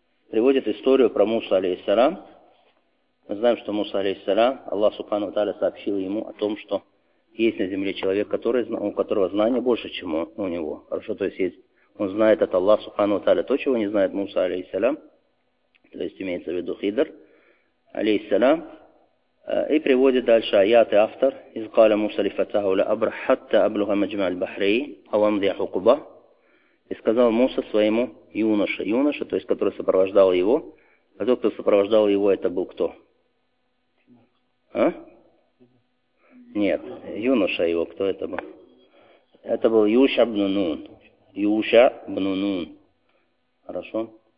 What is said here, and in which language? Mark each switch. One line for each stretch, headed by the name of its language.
Russian: Приводит историю про Муса, алейхиссалям. Мы знаем, что Муса, алейхиссалям, Аллах, субхану ва тааля, сообщил ему о том, что есть на земле человек, у которого знание больше, чем у него. Хорошо, то есть он знает от Аллаха, субхану ва тааля, то, чего не знает Муса, алейхиссалям. То есть имеется в виду Хидр, алейхиссалям. И приводит дальше аяты автор.
Arabic: Из قال موسى لفتاه لا أبرح حتى أبلغ مجمع البحرين أو أمضي حقبة.
Russian: И сказал Муса своему юноше. Юноша, то есть который сопровождал его. А тот, кто сопровождал его, это был кто? А? Нет, юноша его, кто это был? Это был Юша бну Нун. Юша бну Нун. Хорошо.